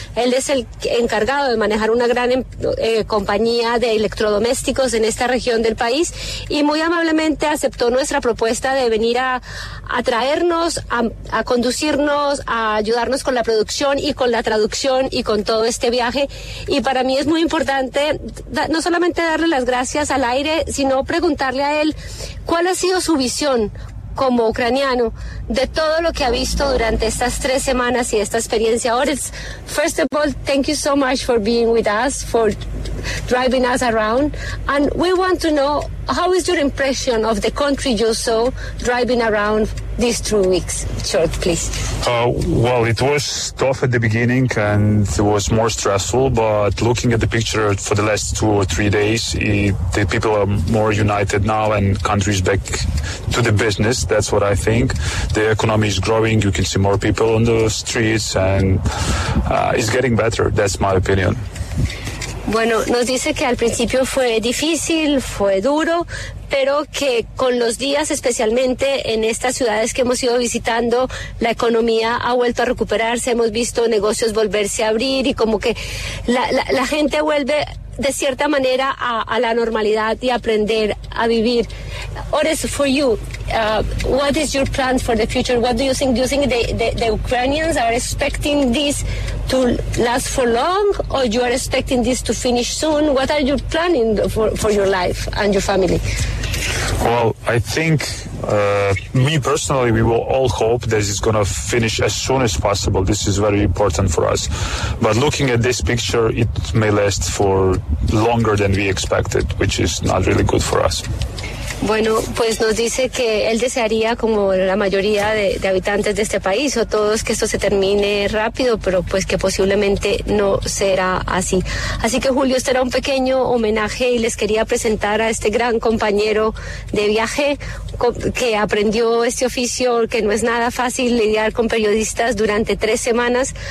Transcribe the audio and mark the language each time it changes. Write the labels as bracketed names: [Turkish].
[Spanish] Él es el encargado de manejar una gran compañía de electrodomésticos en esta región del país y muy amablemente aceptó nuestra propuesta de venir a traernos, a conducirnos, a ayudarnos con la producción y con la traducción y con todo este viaje. Y para mí es muy importante no solamente darle las gracias al aire, sino preguntarle a él cuál ha sido su visión como ucraniano de todo lo que ha visto durante estas 3 semanas y esta experiencia. [English] Orest, first of all, thank you so much for being with us, for driving us around, and we want to know how is your impression of the country you saw driving around these 2 weeks. Short, please. Well, it was tough at the beginning and it was more stressful, but looking at the picture for the last 2 or 3 days, the people are more united now and country is back to the business. That's what I think. The economy is growing. You can see more people on the streets and it's getting better. That's my opinion. [Spanish] Bueno, nos dice que al principio fue difícil, fue duro, pero que con los días, especialmente en estas ciudades que hemos ido visitando, la economía ha vuelto a recuperarse, hemos visto negocios volverse a abrir y como que la gente vuelve de cierta manera a la normalidad y aprender a vivir. [English] Orest, for you, what is your plan for the future? What do you think? Do you think the Ukrainians are expecting this to last for long, or you are expecting this to finish soon? What are you planning for your life and your family? Well, I think me personally, we will all hope that it's going to finish as soon as possible. This is very important for us. But looking at this picture, it may last for longer than we expected, which is not really good for us. [Spanish] Bueno, pues nos dice que él desearía, como la mayoría de habitantes de este país o todos, que esto se termine rápido, pero pues que posiblemente no será así. Así que Julio, este era un pequeño homenaje y les quería presentar a este gran compañero de viaje que aprendió este oficio, que no es nada fácil lidiar con periodistas durante 3 semanas.